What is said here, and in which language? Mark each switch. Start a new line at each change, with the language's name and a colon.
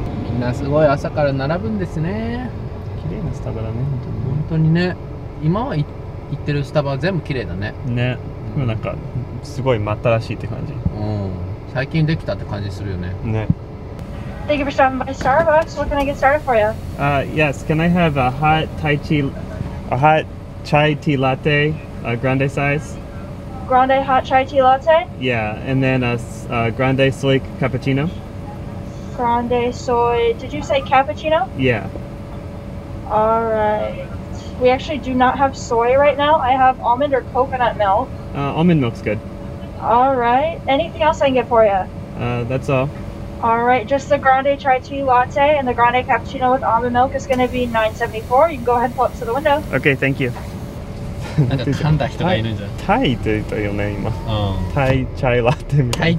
Japanese: みんなすごい朝から並ぶんですね。綺麗なスタバだね、本当に。本当にね。今は行ってるスタバは全部綺麗だね。ね、うん、なんかすごい真新しいって感じ。うん、最近できたって感じするよね。ね。
English: Thank you for stopping by Starbucks. What can I get started for you? Yes. Can I have a hot Thai tea, a hot chai tea latte, a grande size? Grande hot chai tea latte? Yeah, and then a grande soy cappuccino. Grande soy. Did you say cappuccino? Yeah. All right. We actually do not have soy right now. I have almond or coconut milk. Almond milk's good. All right. Anything else I can get for you? That's all. All right. Just the grande chai tea latte and the grande cappuccino with almond milk is going to be $9.74. You can go ahead and pull up to the window. Okay, thank you.
Japanese: なんか噛んだ人がいるんじゃない？タイって言ったよね、今。うん、タイチャイラテみたいな。